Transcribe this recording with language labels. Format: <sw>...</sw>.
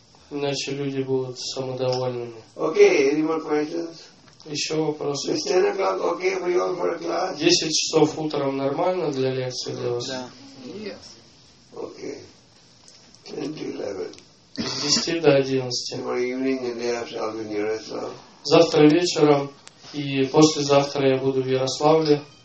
<ru>Иначе люди будут самодовольными.</ru> <en>Okay, any more questions?</en> <ru>Еще вопросы?</ru> <en>Is 10 o'clock okay for you all for a class?</en> <ru>10 часов утром нормально для лекции для вас? Да.</ru> <en>Yeah. Yes. Okay. 10 to 11.</en> <ru>С 10 до 11.</ru> <en>Tomorrow evening and day after I'll be in Ярославле.</en> <ru>Завтра вечером и послезавтра я буду в Ярославле.</ru>